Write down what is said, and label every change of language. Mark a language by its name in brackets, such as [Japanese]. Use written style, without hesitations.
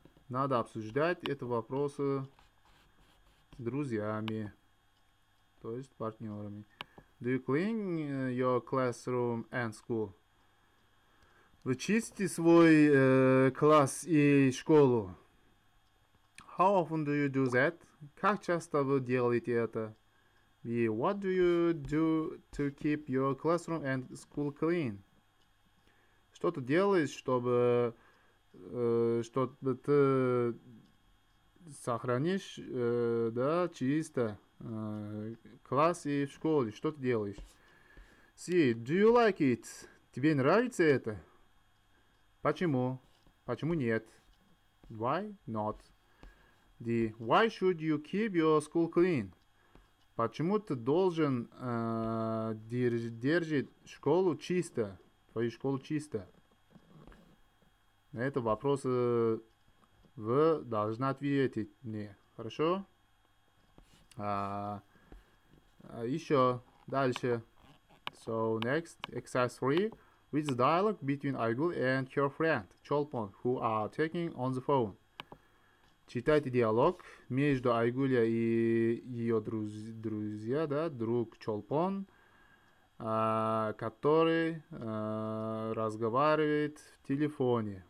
[Russian] Надо обсуждать эти вопросы с друзьями, то есть партнерами. [English] Do you clean your classroom and school? [Russian] Вы чистите свой класс и школу? [English] How often do you do that? [Russian] Как часто вы делаете это? [English] И what do you do to keep your classroom and school clean? [Russian] Что-то делаешь, чтобы ты сохранишь, да, чисто класс и в школе. Что ты делаешь? [English] See, do you like it? [Russian] Тебе нравится это? Почему? Почему нет? [English] Why not? D, why should you keep your school clean? [Russian] Почему ты должен держать школу чисто? Твою школу чисто? На это вопрос вы должны ответить мне. Хорошо? Еще дальше. [English] So, next. Exercise 3. With the dialogue between Aygul and her friend, Cholpon, who are talking on the phone. [Russian] Читайте диалог между Айгуля и ее друзья, да, друг Чолпон, который разговаривает в телефоне.